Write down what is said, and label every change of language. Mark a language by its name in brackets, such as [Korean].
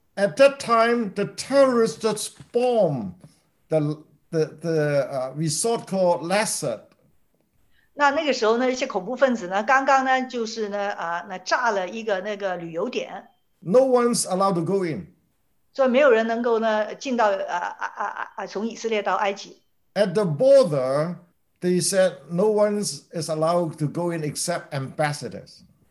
[English] At that time, the terrorists just bombed the resort called Lasset. [Chinese] 那个时候呢，一些恐怖分子呢，刚刚呢，就是呢，那炸了一个那个旅游点。 [English] No one's allowed to go in. [Chinese] 所以没有人能够呢进到从以色列到埃及。At [English] the border, they said no one is allowed to go in except ambassadors.